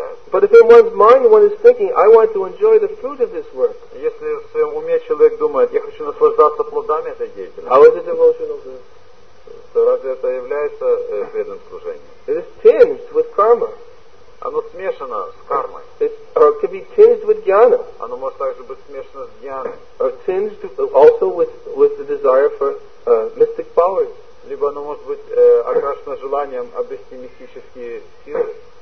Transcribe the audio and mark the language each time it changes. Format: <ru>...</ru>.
<en>But if in one's mind one is thinking, I want to enjoy the fruit of this work,</en> <ru>если в своем уме человек думает, я хочу наслаждаться плодами этой деятельности,</ru> <en>how is it devotional service?</en> <ru>То разве это является преданным служением?</ru> <en>It is tinged with karma.</en> <ru>Оно смешано с кармой.</ru> <en>It can be tinged with jnana.</en> <ru>Оно может также быть смешано с jnana.</ru> <en>Or tinged also with the desire for mystic powers.</en> <ru>Либо оно может быть окрашено желанием обрести мистические силы.</ru>